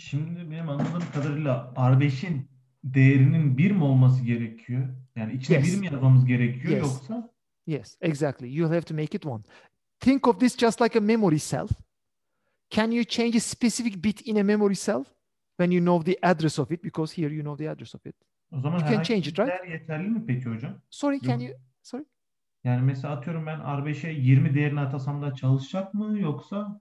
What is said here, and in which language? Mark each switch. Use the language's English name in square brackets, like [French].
[Turkish] Şimdi benim anladığım kadarıyla R5'in değerinin 1 mi olması gerekiyor? Yani içine 1 mi yazmamız gerekiyor yoksa? [English] Yes, exactly. You have to make it 1. Think of this just like a memory cell. Can you change a specific bit in a memory cell when you know the address of it? Because here you know the address of it. [Turkish] O zaman [English] you can change it, right? [Turkish] Değer yeterli mi peki hocam? [English] Sorry, can you? Sorry. [Turkish] Yani mesela atıyorum ben R5'e 20 değerini atasam da çalışacak mı yoksa?